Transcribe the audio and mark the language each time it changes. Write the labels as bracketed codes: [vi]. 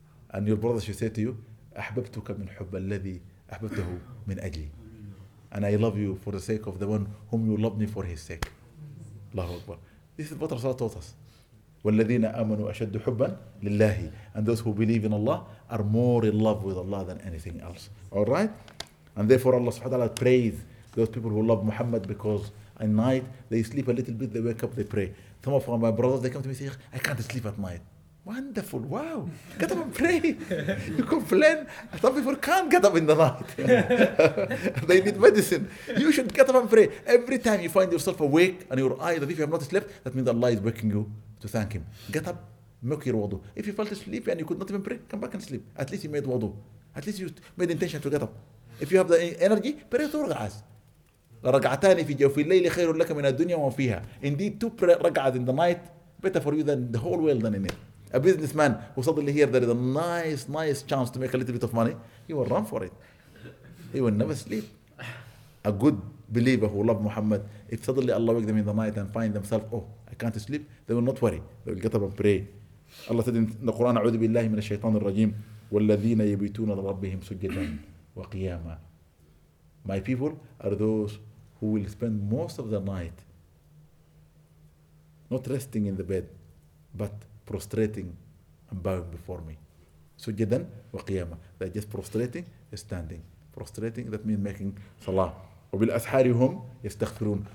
[en] And your brother should say to you, [ar] أحببتك من حب الذي أحببته من أجلي. [en] And I love you for the sake of the one whom you love me for his sake. [ar] الله أكبر. [en] This is what Rasul taught us. [ar] والذين آمنوا أشد حبا لله. [en] And those who believe in Allah are more in love with Allah than anything else. All right? And therefore Allah subhanahu wa ta'ala praise those people who love Muhammad because at night they sleep a little bit, they wake up, they pray. Some of my brothers, they come to me and say, I can't sleep at night. Wonderful, wow. Get up and pray. You complain. Some people can't get up in the night. They need medicine. You should get up and pray. Every time you find yourself awake and your eyes, if you have not slept, that means Allah is waking you to thank Him. Get up, make your wudu. If you felt sleepy and you could not even pray, come back and sleep. At least you made wudu. At least you made intention to get up. If you have the energy, pray two raka'as. [ar] رَقَعَتَانِ فِي جَوْفِ اللَّيْلِ خَيْرٌ لَكَ مِنَ الدُّنْيَا وَفِيهَا. [en] Indeed, two raka'as in the night, better for you than the whole world than in it. A businessman who suddenly hears there is a nice chance to make a little bit of money, he will run for it. He will never sleep. A good believer who loves Muhammad, if suddenly Allah wakes them in the night and find themselves, oh, I can't sleep, they will not worry. They will get up and pray. [ar] الله تدين القرآن أعوذ بالله من الشيطان الرجيم والذين يبيتون لربهم سجدا وقياما. [en] My people are those who will spend most of the night not resting in the bed but prostrating and bowing before me. [ar] سجدا وقياما, [en] they're just prostrating, standing. Prostrating, that means making salah. [ar] وبالأسحار هم يستغفرون.